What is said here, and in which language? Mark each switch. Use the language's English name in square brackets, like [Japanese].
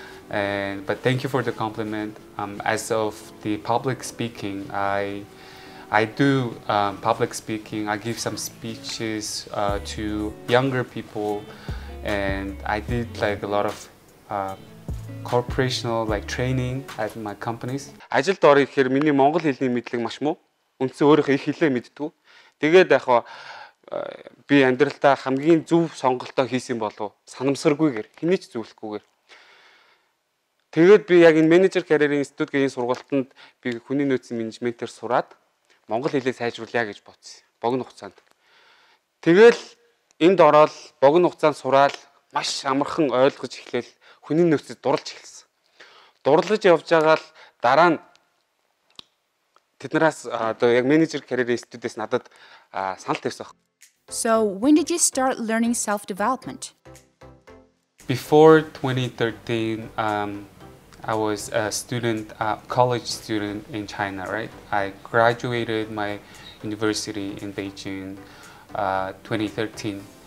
[English] But thank you for the compliment. As of the public speaking, I do public speaking. I give some speeches to younger people. And I did like a lot of corporational like training at my companies. [Mongolian] Ажил дор ихээр миний монгол хэлний мэдлэг маш муу. Үндсээ өөрөө их хэлээ мэддэг. Тэгээд яг би амьдралдаа хамгийн зөв сонголтоо хийсэн болов санамсаргүйгээр хэний ч зөвлөхгүйгээр. Тэгээд би яг энэ менежер карьерийн институтгийн сургалтанд би хүний нөөцийн менежментээр сураад монгол хэлээ сайжруулъя гэж бодсон. Богино хугацаанд. Тэгэл энд ороод богино хугацаанд сураад маш амархан ойлгож эхлэв. Хүний нөөцөд дурлж эхэлсэн. Дурлаж явж байгаа л дараа нь тэднээс одоо яг менежер карьерийн институтээс надад санал төрсөн. [English] So, when did you start learning self-development? Before 2013, I was a student, a college student in China, right? I graduated my university in Beijing 2013.